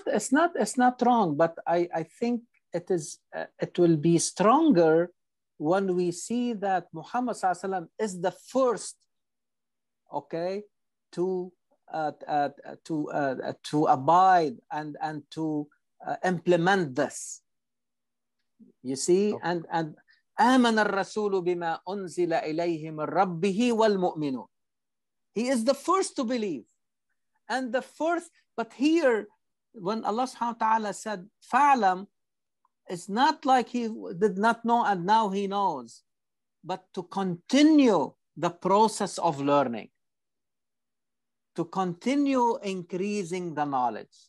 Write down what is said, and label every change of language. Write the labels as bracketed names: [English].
[English] It's not wrong, but I think it is it will be stronger when we see that Muhammad sallallahu alaihi wasallam is the first, okay, to abide and to implement this. You see, okay. [Arabic] And آمن الرسول بما أنزل إليه من ربه والمؤمنون. [English] He is the first to believe, and the first. But here, when Allah Subhanahu wa Taala said فعلم, it's not like he did not know and now he knows, but to continue the process of learning, to continue increasing the knowledge.